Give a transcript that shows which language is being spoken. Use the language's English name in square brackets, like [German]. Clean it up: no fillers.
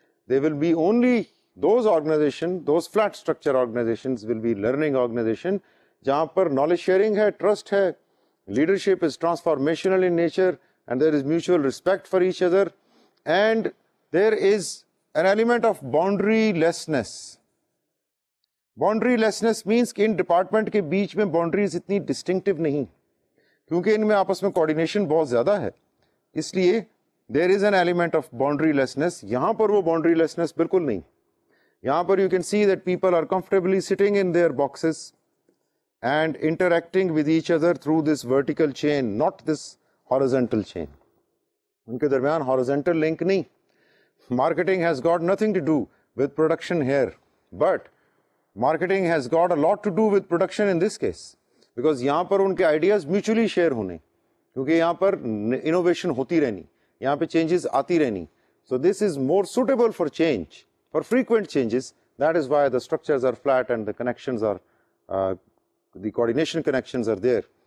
[English] There will be only those organizations, those flat-structured organizations will be learning organization, [Urdu] جہاں پر [English] knowledge sharing ہے, trust ہے, leadership is transformational in nature, and there is mutual respect for each other, and there is an element of boundary-lessness. Boundary-lessness means [Urdu] کہ ان department کے بیچ میں boundaries اتنی distinctive نہیں, کیونکہ ان میں آپس میں coordination بہت زیادہ ہے, اس لیے [English] There is an element of boundary lessness. [Urdu] یہاں پر وہ باؤنڈری لیسنس بالکل نہیں, [English] یہاں پر you can see that people are comfortably sitting in their boxes and interacting with each other through this vertical chain, not this horizontal chain. [Urdu] ان کے درمیان horizontal link نہیں. [English] marketing has got nothing to do with production here, but marketing has got a lot to do with production in this case, [Urdu] because یہاں پر ان کے ideas mutually share ہونے, کیونکہ یہاں پر innovation ہوتی رہنی, یہاں پہ چینجز آتی رہنی. [English] So this is more suitable for change, for frequent changes. That is why the structures are flat and the connections are the coordination connections are there.